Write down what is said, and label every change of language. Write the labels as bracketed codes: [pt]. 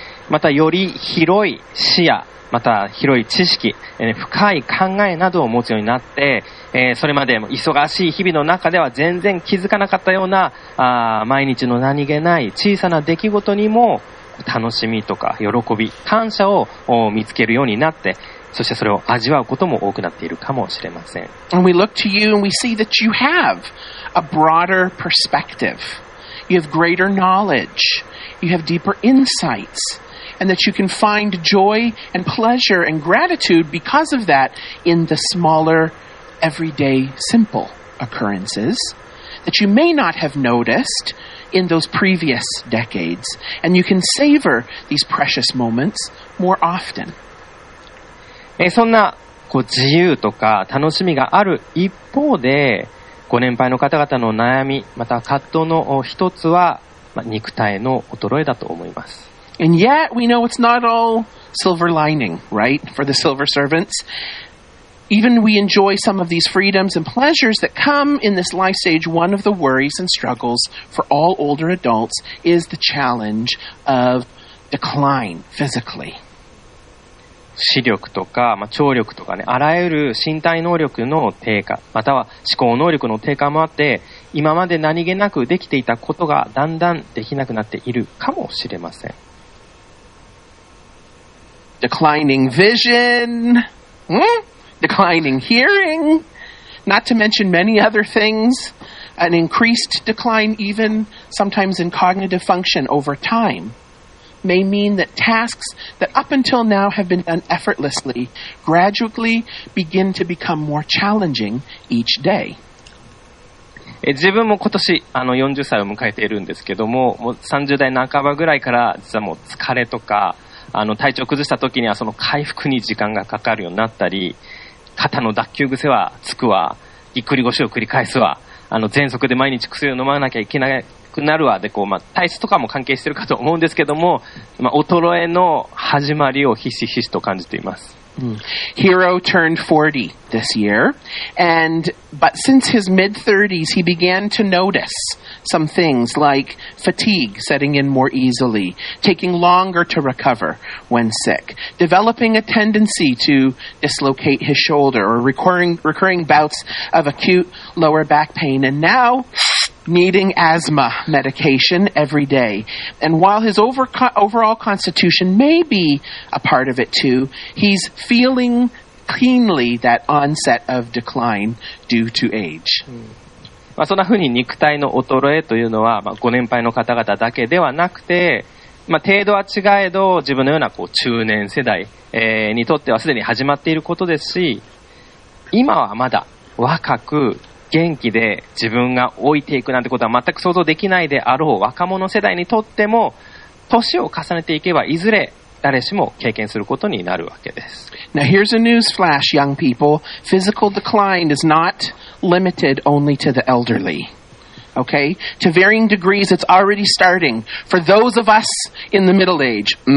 [ja] またより広い視野、また広い知識、深い考えなどを持つようになって、それまで忙しい日々の中では全然気づかなかったような毎日の何気ない小さな出来事にも楽しみとか喜び、感謝を見つけるようになって、そしてそれを味わうことも多くなっているかもしれません。 [en] And we look to you and we see that you have a broader perspective. You have greater knowledge. You have deeper insights. And that you can find joy and pleasure and gratitude because of that in the smaller, everyday, simple occurrences that you may not have noticed in those previous decades. And you can savor these precious moments more often. [ja] そんなこう自由とか楽しみがある一方で、ご年配の方々の悩み、また葛藤の一つは、まあ、肉体の衰えだと思います。 [en] And yet we know it's not all silver lining, right? For the silver servants. Even we enjoy some of these freedoms and pleasures that come in this life stage, one of the worries and struggles for all older adults is the challenge of decline physically. [ja] 視力とか、まあ、聴力とかね、あらゆる身体能力の低下、または思考能力の低下もあって、今まで何気なくできていたことがだんだんできなくなっているかもしれません。 [en] Declining vision, declining hearing, not to mention many other things, an increased decline even sometimes in cognitive function over time. May mean that tasks that up until now have been done effortlessly gradually begin to become more challenging each day. [ja] 自分も今年40歳を迎えているんですけども、もう30代半ばぐらいから実はもう疲れとか体調崩した時にはその回復に時間がかかるようになったり、肩の脱臼癖はつくわ、ぎっくり腰を繰り返すわ、喘息で毎日薬を飲まなきゃいけなくなるわ、でこう、体質とかも関係してるかと思うんですけども、衰えの始まりをひしひしと感じています。 [en] Hiro turned 40 this year, but since his mid-30s, he began to notice some things like fatigue setting in more easily, taking longer to recover when sick, developing a tendency to dislocate his shoulder, or recurring bouts of acute lower back pain, and now needing asthma medication every day. And while his overall constitution may be a part of it too, he's feeling keenly that onset of decline due to age. [ja] そんなふうに肉体の衰えというのは、ご年配の方々だけではなくて、程度は違えど自分のようなこう中年世代、にとってはすでに始まっていることですし、今はまだ若く元気で自分が老いていくなんてことは全く想像できないであろう若者世代にとっても、年を重ねていけばいずれ誰しも経験することになるわけです。 [en] Now here's a news flash, young people. Physical decline is not limited only to the elderly. Okay? To varying degrees, it's already starting for those of us in the middle age.